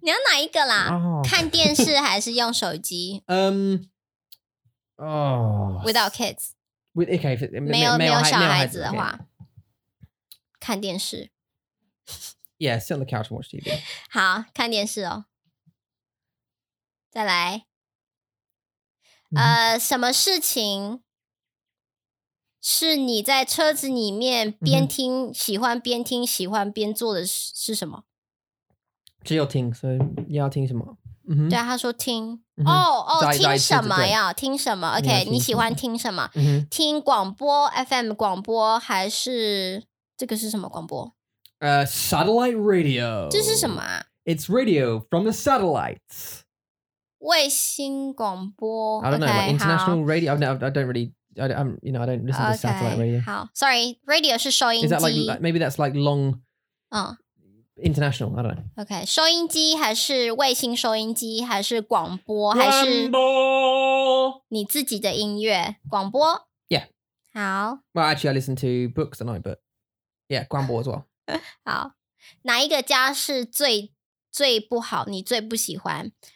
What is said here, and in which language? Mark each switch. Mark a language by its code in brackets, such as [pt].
[zh] 你要哪一个啦?Oh. 看电视还是用手机? [en] Without kids. With, okay, if it, [zh] 没有小孩子的话, okay. 看电视. [en] Yeah, sit on the couch and watch TV. [zh] 好,看电视哦。再来, 什么事情是你在车子里面边听喜欢边做的是什么? 只有听, 所以你要听什么? Mm-hmm. 对,他说听, 哦,听什么呀?听什么? OK, 你喜欢听什么? Mm-hmm. 听广播, FM 广播, 还是这个是什么广播? [en] Satellite radio. [zh] 这是什么啊? [en] It's radio from the satellites. [zh] 衛星廣播, [en] I don't know, okay, international radio. I don't listen okay, to satellite radio. [zh] 好, sorry, radio 是收音機. [en] Is that like, maybe that's like long international, I don't know. [zh] Okay, 收音機還是衛星收音機還是廣播還是廣播? 你自己的音樂,廣播? Yeah. 好. [en] Well, actually I listen to books at night, but yeah, 廣播 as well. [zh] 好. 哪一個家是最不好,你最不喜歡?